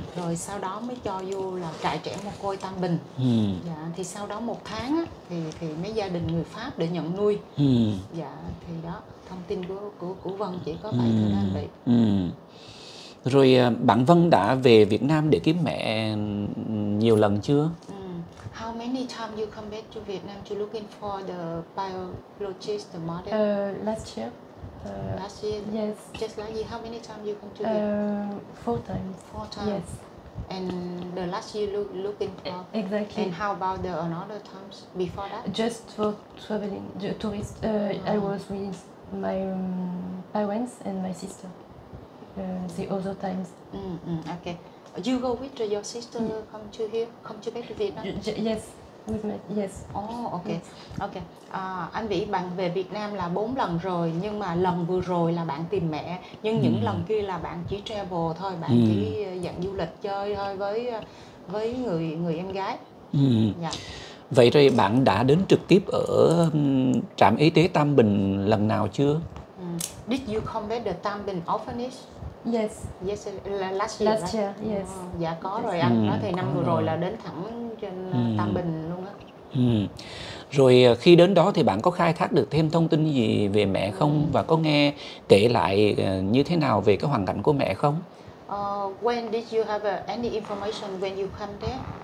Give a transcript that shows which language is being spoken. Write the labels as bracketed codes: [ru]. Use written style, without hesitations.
[vi] Rồi sau đó mới cho vô là trại trẻ mồ côi Tam Bình. Dạ, thì sau đó một tháng á, thì mấy gia đình người Pháp để nhận nuôi. Dạ, thì đó, thông tin của Vân chỉ có vậy thôi anh Bị. Rồi bạn Vân đã về Việt Nam để kiếm mẹ nhiều lần chưa? [en] How many times you come back to Vietnam to looking for the biologist, the mother? Last year. Last year? Yes. Just last year, how many times you come to Vietnam? Four times. Four times? Yes. And the last year looking for? Exactly. And how about the another times before that? Just for traveling, tourist. I was with my parents and my sister the other times. Okay. You go with your sister come to here, come to back to Vietnam? Yes, with me, yes. Oh, okay. Yes. Okay. [vi] Anh Vĩ, bạn về Việt Nam là 4 lần rồi, nhưng mà lần vừa rồi là bạn tìm mẹ. Nhưng những lần kia là bạn chỉ travel thôi, bạn chỉ dạng du lịch chơi thôi với người em gái. Dạ. Vậy rồi bạn đã đến trực tiếp ở trạm y tế Tam Bình lần nào chưa? [en] Did you come back to Tam Bình orphanage? Yes. Yes, last year. Last year, yes. [vi] Dạ có rồi anh. Đó thì năm vừa rồi là đến thẳng trên Tam Bình luôn á. Rồi khi đến đó thì bạn có khai thác được thêm thông tin gì về mẹ không? Và có nghe kể lại như thế nào về cái hoàn cảnh của mẹ không? [en] When did you have any information when you come there?